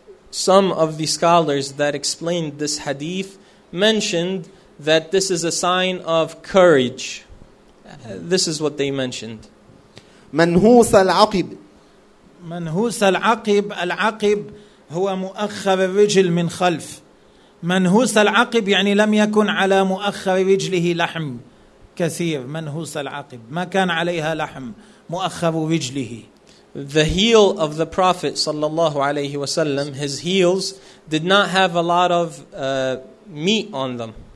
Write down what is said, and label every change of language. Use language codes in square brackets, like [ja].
[en] Some of the scholars that explained this hadith mentioned that this is a sign of courage. This is what they mentioned. [ar] منهوس العقب. منهوس العقب. العقب هو مؤخر الرجل من خلف. منهوس العقب يعني لم يكن على مؤخر رجله لحم كثير. منهوس العقب ما كان عليها لحم مؤخر رجله. [en] The heel of the Prophet [ar] sallallahu alayhi wasallam, [en] his heels did not have a lot of meat on them.